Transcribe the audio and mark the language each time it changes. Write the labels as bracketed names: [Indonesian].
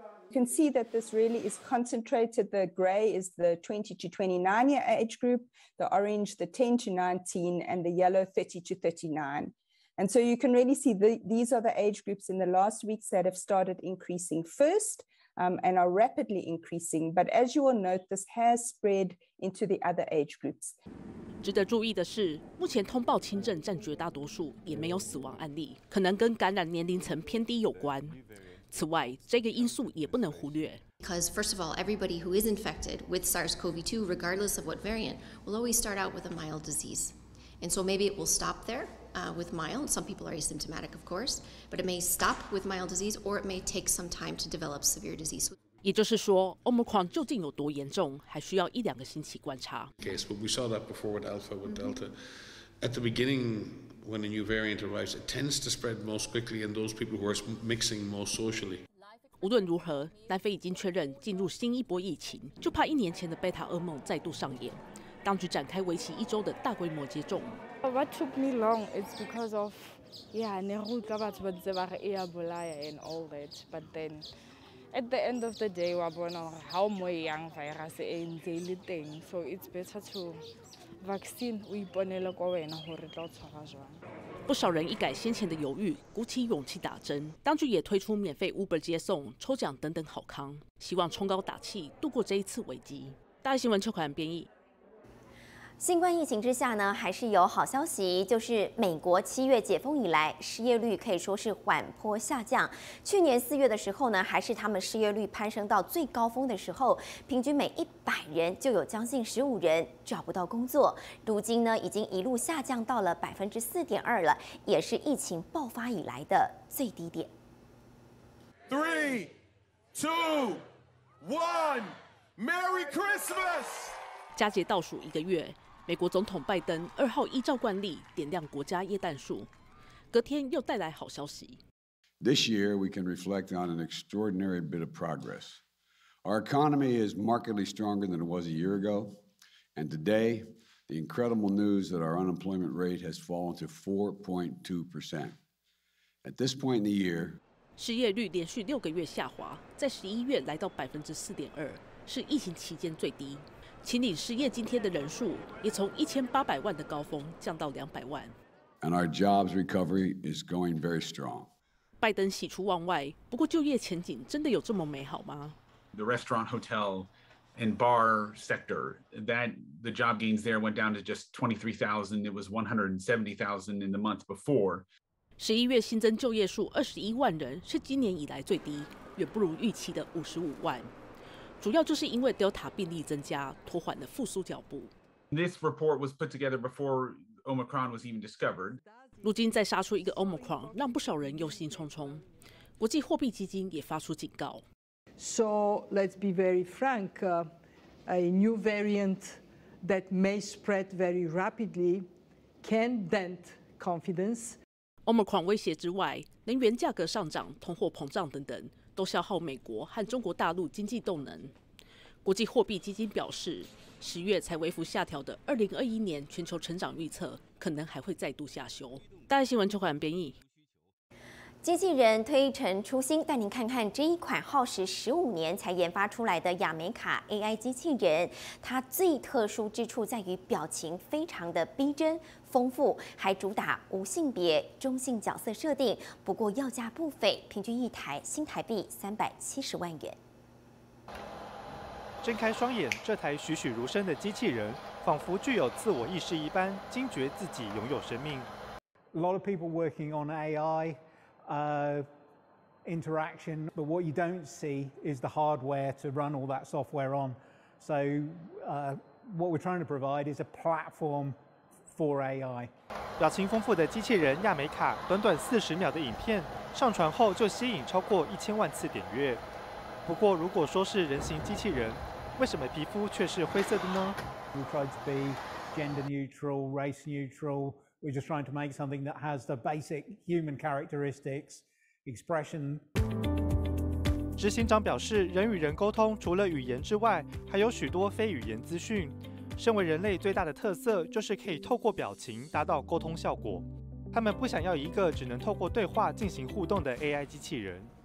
[English] You can see that this really is concentrated. The gray is the 20 to 29 year age group, the orange the 10 to 19, and the yellow 30 to 39. And so you can really see these are the age groups in the last weeks that have started increasing first. And are rapidly increasing, but as you will note, this has spread into the other age groups. [Chinese] 值得注意的是，目前通报轻症占绝大多数，也没有死亡案例，可能跟感染年龄层偏低有关。此外，这个因素也不能忽略。 [English] Because first of all, everybody who is infected with SARS-CoV-2, regardless of what variant, will always start out with a mild disease, and so maybe it will stop there. With mild, some people are asymptomatic, of course, but it may stop with mild disease, or it may take some time to develop severe disease. [Chinese] 也就是说 ，Omicron 究竟有多严重，还需要一两个星期观察。 [English] Case, but we saw that before with Alpha, with Delta. At the beginning, when a new variant arrives, it tends to spread most quickly in those people who are mixing most socially. [Chinese] 无论如何，南非已经确认进入新一波疫情，就怕一年前的贝塔噩梦再度上演。当局展开为期一周的大规模接种。 [English] What took me long? It's because of, yeah, Nehru covered with the Varia Bulaya and all that. But then, at the end of the day, we know how many young virus in daily thing. So it's better to vaccine. We put a lot of effort into it. [Chinese] 不少人一改先前的犹豫，鼓起勇气打针。当局也推出免费 Uber 接送、抽奖等等好康，希望冲高打气度过这一次危机。大新闻邱凯安编译。新冠疫情之下呢，还是有好消息，就是美国七月解封以来，失业率可以说是缓坡下降。去年四月的时候呢，还是他们失业率攀升到最高峰的时候，平均每100人就有将近15人找不到工作。如今呢，已经一路下降到了4.2%了，也是疫情爆发以来的最低点。 [English] 3, 2, 1, Merry Christmas！ [Chinese] 佳节倒数一个月，美国总统拜登2号依照惯例点亮国家耶诞树，隔天又带来好消息。 [English] This year we can reflect on an extraordinary bit of progress. Our economy is markedly stronger than it was a year ago. And today, the incredible news that our unemployment rate has fallen to 4.2%. At this point in the year, [Chinese] 失业率连续六个月下滑，在十一月来到4.2%，是疫情期间最低。请领失业津贴的人数也从1800万的高峰降到200万。 [English] And our jobs recovery is going very strong. [Chinese] 拜登喜出望外，不过就业前景真的有这么美好吗？ [English] The restaurant, hotel, and bar sector, that the job gains there went down to just 23,000. It was 170,000 in the month before. [Chinese] 十一月新增就业数21万人，是今年以来最低，远不如预期的55万。主要就是因为 Delta 病例增加，拖缓了复苏脚步。 [English] This report was put together before Omicron was even discovered. [Chinese] 如今再杀出一个 Omicron， 让不少人忧心忡忡。国际货币基金也发出警告。 [English] So let's be very frank, a new variant that may spread very rapidly can dent confidence. [Chinese] Omicron 威胁之外，能源价格上涨、通货膨胀等等，都消耗美国和中国大陆经济动能。国际货币基金表示，十月才微幅下调的2021年全球成长预测，可能还会再度下修。大爱新闻邱冠编译。机器人推陈出新，带您看看这一款耗时15年才研发出来的亚美卡 AI 机器人。它最特殊之处在于表情非常的逼真丰富，还主打无性别中性角色设定。不过要价不菲，平均一台新台币370万元。睁开双眼，这台栩栩如生的机器人仿佛具有自我意识一般，惊觉自己拥有生命。 [English] A lot of people working on AI. Interaction, but what you don't see is the hardware to run all that software on. So, what we're trying to provide is a platform for AI. [Chinese] 表情丰富的机器人亚美卡，短短40秒的影片上传后就吸引超过1000万次点阅。不过，如果说是人形机器人，为什么皮肤却是灰色的呢 [English] ？We tried to be gender neutral, race neutral. We're just trying to make something that has the basic human characteristics, expression. [Chinese] 执行长表示，人与人沟通除了语言之外，还有许多非语言资讯。身为人类最大的特色，就是可以透过表情达到沟通效果。他们不想要一个只能透过对话进行互动的 AI 机器人。